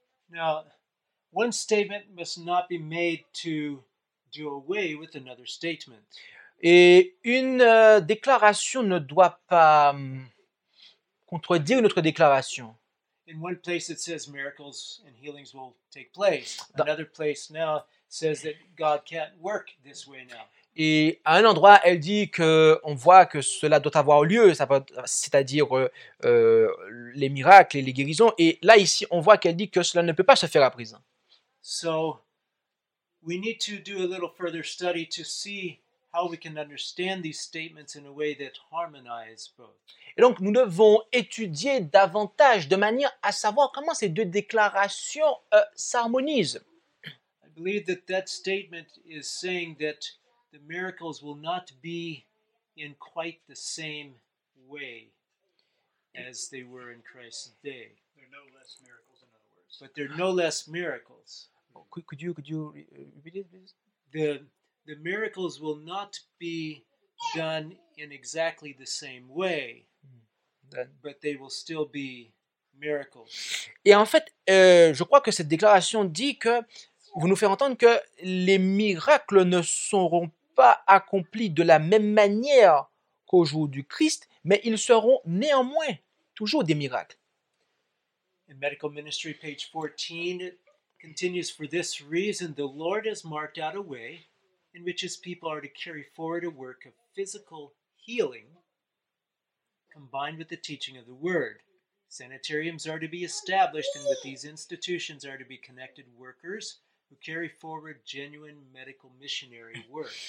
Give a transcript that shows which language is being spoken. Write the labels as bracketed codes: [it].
[en] Now, one statement must not be made to do away with another statement. [fr] Et une déclaration ne doit pas contredire une autre déclaration. [en] In one place it says miracles and healings will take place. Another place now says that God can't work this way now. [fr] Et à un endroit, elle dit que on voit que cela doit avoir lieu, c'est-à-dire les miracles et les guérisons. Et là ici, on voit qu'elle dit que cela ne peut pas se faire à présent. [en] So we need to do a little further study to see how we can understand these statements in a way that harmonizes both. [fr] Et donc, nous devons étudier davantage de manière à savoir comment ces deux déclarations s'harmonisent. [en] I believe that that statement is saying that the miracles will not be in quite the same way as they were in Christ's day. They're no less miracles, in other words. But they're no less miracles. Could you repeat it, please? The miracles will not be done in exactly the same way, but they will still be miracles. [fr] Et en fait, je crois que cette déclaration dit que vous nous faites entendre que les miracles ne seront pas accomplis de la même manière qu'au jour du Christ, mais ils seront néanmoins toujours des miracles. [en] In Medical Ministry, page 14, it continues, for this reason, the Lord has marked out a way in which his people are to carry forward a work of physical healing combined with the teaching of the word. Sanitariums are to be established, and with these institutions are to be connected workers who carry forward genuine medical missionary work.